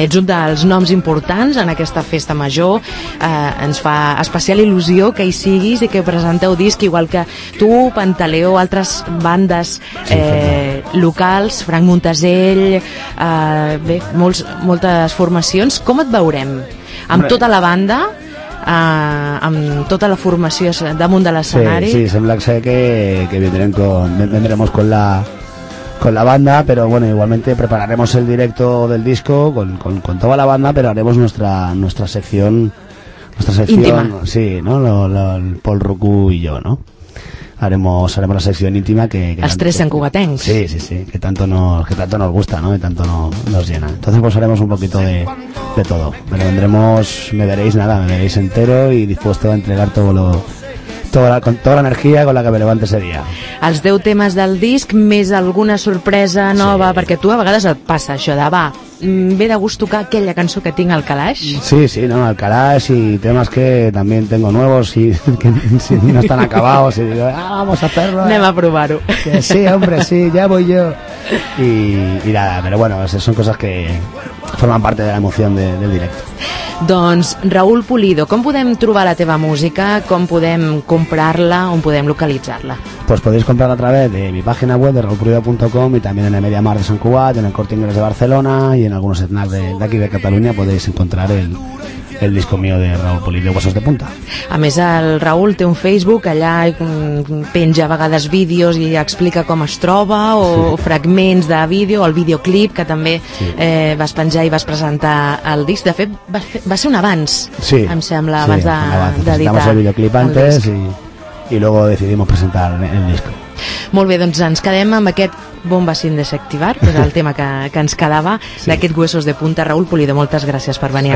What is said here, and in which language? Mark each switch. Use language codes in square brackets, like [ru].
[ca] Ets un dels noms importants en aquesta Festa Major. Ens fa especial il·lusió que hi siguis i que presenteu disc, igual que tu, Pantaleo, altres bandes locals, Frank Montasell, bé, moltes formacions. Com et veurem? Amb tota la banda, amb tota la formació damunt de l'escenari? [es] Sí, sembla que vendremos con la banda, pero bueno, igualmente prepararemos el directo del disco con toda la banda, pero haremos nuestra sección íntima. Sí, ¿no? El Pol Rucú y yo, ¿no? Haremos la sección íntima que las tres sancugatencs. Sí, que tanto nos gusta, ¿no? Y tanto nos llena. Entonces pues haremos un poquito de todo. Pero me veréis entero y dispuesto a entregar toda la energia con la que me levanto ese día. [ca] Els 10 temes del disc més alguna sorpresa nova, sí. Perquè tu a vegades et passa això de va, ve de gust tocar aquella cançó que tinc al calaix. [es] Sí, no, [ca] al calaix, i temes que també [es] tengo nuevos [ca] i que si no estan [es] acabados, y digo, vamos a hacerlo. [ca] Anem a provar-ho. [es] Sí, hombre, sí, ya voy yo. Y nada, pero bueno, son cosas que forman parte de la emoción del directo. [ca] Doncs, Raúl Pulido, com podem trobar la teva música, com podem comprar-la, on podem localitzar-la? [es] Pues podéis comprar-la a través de mi página web de raúlpulido.com [ca] i també [es] en el MediaMarkt de Sant Cugat, en el Corte Inglés de Barcelona i en alguns snacks d'aquí de Catalunya podeu encontrar el disco mío de Raúl Pulido, Huesos de Punta. [ca] A més, el Raúl té un Facebook, allà penja a vegades vídeos i explica com es troba, o sí, fragments de vídeo, o el videoclip que també vas penjar i vas presentar el disc. De fet, va ser un avanç, sí, em sembla, abans sí, d'editar. [es] Necessitamos el videoclip antes y luego decidimos presentar el disco. [ca] Molt bé, doncs ens quedem amb aquest Bomba Sin Desactivar, que era el tema que ens quedava, sí, d'aquest Huesos de Punta. Raúl Pulido, moltes gràcies per venir.